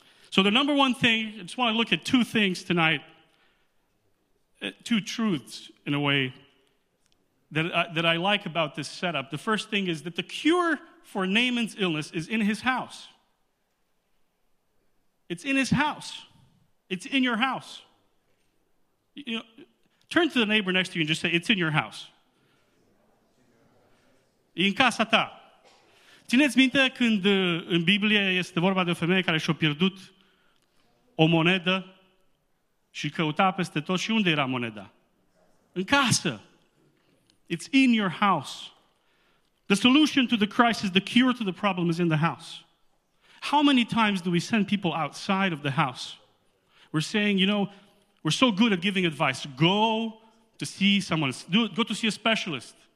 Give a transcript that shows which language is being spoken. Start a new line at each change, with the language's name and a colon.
English: So the number one thing, I just want to look at two things tonight. Two truths, in a way, that I like about this setup. The first thing is that the cure for Naaman's illness is in his house. It's in his house. It's in your house. You know, turn to the neighbor next to you and just say, it's in your house.
Romanian: In casa ta. Țineți minte când în Biblie este vorba de o femeie care și-a pierdut o monedă și căuta peste tot și unde era moneda? În casă.
English: It's in your house. The solution to the crisis, the cure to the problem is in the house. How many times do we send people outside of the house? We're saying, you know, we're so good at giving advice. Go to see someone. Go to see a specialist.